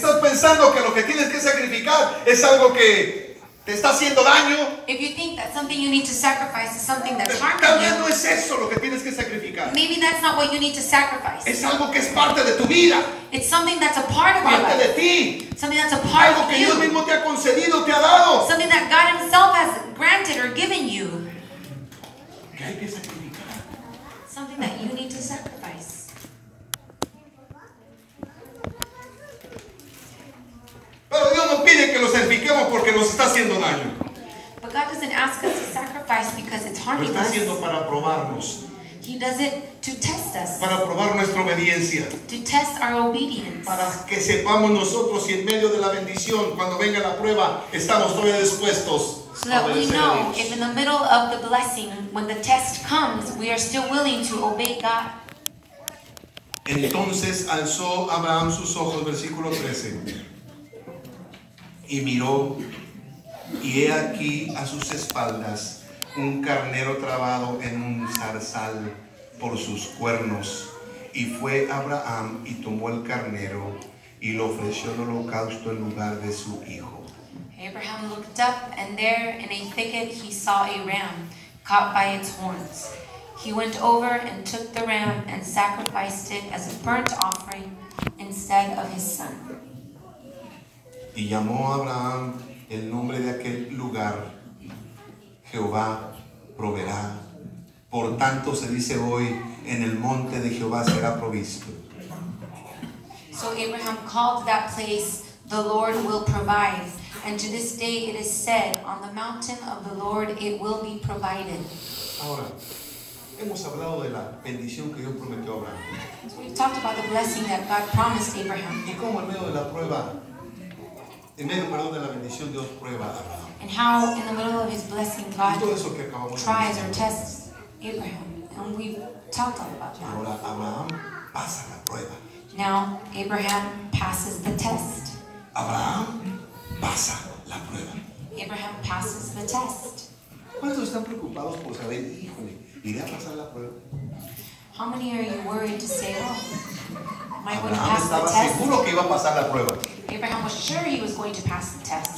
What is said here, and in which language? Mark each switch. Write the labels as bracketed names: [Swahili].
[Spanish] Si estás pensando que lo que tienes que sacrificar es algo que te está haciendo daño, [English] if you think that something you need to sacrifice is something that's harming you, [Spanish] no es eso lo que tienes que sacrificar. [English] Maybe that's not what you need to sacrifice. [Spanish] Es algo que es parte de tu vida. [English] It's something that's a part of [Spanish] parte [English] your life. [Spanish] De ti. [English] Something that's a part [Spanish] algo [English] of [Spanish] que [English] you. [Spanish] Dios mismo te ha concedido, te ha dado. [English] Something that God himself has granted or given you. [Spanish] Que hay que sacrificar. [English] Something that you need to sacrifice. [Spanish] Pero Dios no pide que lo sacrifiquemos porque nos está haciendo daño. [English] But God doesn't ask us to sacrifice because it's harming us. [Spanish] Lo está haciendo para probarnos. [English] He does it to test us. [Spanish] Para probar nuestra obediencia. [English] To test our obedience. [Spanish] Para que sepamos nosotros si en medio de la bendición, cuando venga la prueba, estamos todavía dispuestos. [English] So that we know if in the middle of the blessing, when the test comes, we are still willing to obey God. [Spanish] Entonces alzó Abraham sus ojos, versículo 13. Y miró, y he aquí a sus espaldas un carnero trabado en un zarzal por sus cuernos. Y fue Abraham y tomó el carnero y lo ofreció en holocausto en lugar de su hijo. [English] Abraham looked up, and there in a thicket he saw a ram caught by its horns. He went over and took the ram and sacrificed it as a burnt offering instead of his son. [Spanish] Y llamó a Abraham el nombre de aquel lugar, Jehová proveerá. Por tanto, se dice hoy, en el monte de Jehová será provisto. [English] So Abraham called that place, the Lord will provide. And to this day it is said, on the mountain of the Lord it will be provided. [Spanish] Ahora, hemos hablado de la bendición que Dios prometió a Abraham. [English] So we've talked about the blessing that God promised Abraham. [Spanish] Y cómo en medio de la prueba, en medio, perdón, de la bendición, Dios prueba a Abraham. [English] And how, in the middle of his blessing, God tries or tests Abraham. And we've talked all about that. [Spanish] Ahora Abraham pasa la prueba. [English] Now Abraham passes the test. [Spanish] Abraham pasa la prueba. [English] Abraham passes the test. [Spanish] ¿Cuántos están preocupados por saber, híjole, iré a pasar la prueba? [English] How many are you worried to say, oh, [Spanish] Abraham estaba seguro que iba a pasar la prueba. [English] Abraham was sure he was going to pass the test.